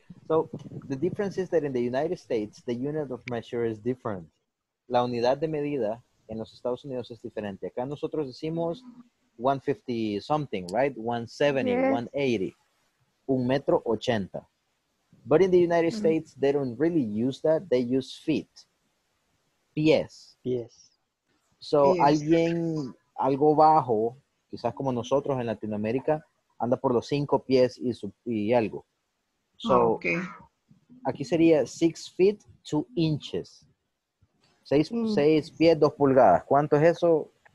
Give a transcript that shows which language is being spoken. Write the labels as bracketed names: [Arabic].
[English] So the difference is that in the United States, the unit of measure is different. [Spanish] La unidad de medida en los Estados Unidos es diferente. Acá nosotros decimos 150 [English] something, right? [Spanish] 170, yes. 180, un metro 80. [English] But in the United States, they don't really use that. They use feet. Pies. [Spanish] Pies. [English] So pies. [Spanish] Alguien algo bajo, quizás como nosotros en Latinoamérica, anda por los 5 pies y algo. [English] So, oh, okay. [Spanish] Aquí sería 6'2". 6 pies, 2 pulgadas. ¿Cuánto es eso?